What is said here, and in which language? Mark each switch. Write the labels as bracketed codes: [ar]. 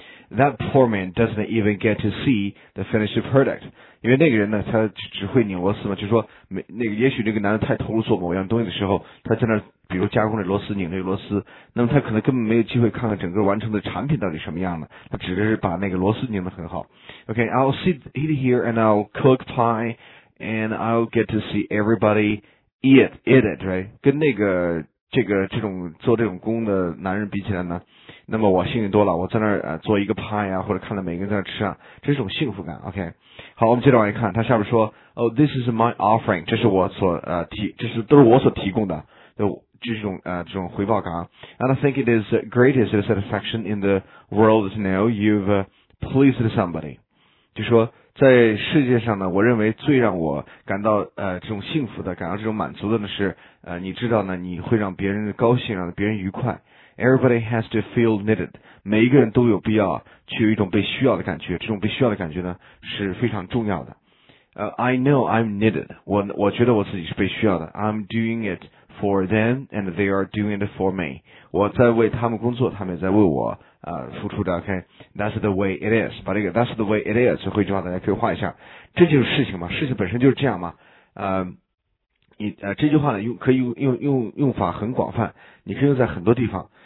[en] that poor man doesn't even get to see the finished product. [zh] 因为那个人呢，他只会拧螺丝嘛，就是说，那个也许那个男的太投入做某样东西的时候，他在那儿比如加工这螺丝、拧这螺丝，那么他可能根本没有机会看看整个完成的产品到底什么样的，他只是把那个螺丝拧得很好。 [en] Okay, I'll sit here and I'll cook pie, and I'll get to see everybody eat it, right? [zh] 跟那个这种做这种工的男人比起来呢，那么我幸运多了，我在那儿做一个 pie 啊，或者看到每个人在那吃啊，这是种幸福感。OK， 好，我们接着往下看，他下面说 ， [en] Oh, this is my offering， [zh] 这是我所提供的，这种回报感。 [en] And I think it is the greatest satisfaction in the world to know you've pleased somebody， [zh] 就说在世界上呢，我认为最让我感到这种幸福的，感到这种满足的呢是你知道呢，你会让别人高兴，让别人愉快。 [en] Everybody has to feel needed. [zh] 每一个人都有必要去有一种被需要的感觉，这种被需要的感觉呢是非常重要的。 [en] I know I'm needed. [zh] 我觉得我自己是被需要的。 [en] I'm doing it for them and they are doing it for me. [zh] 我在为他们工作，他们也在为我付出的。 [en] Okay, that's the way it is. [zh] 把这个 [en] that's the way it is [zh] 最后一句话大家可以画一下。这就是事情嘛，事情本身就是这样嘛。这句话呢可以用法很广泛，你可以用在很多地方。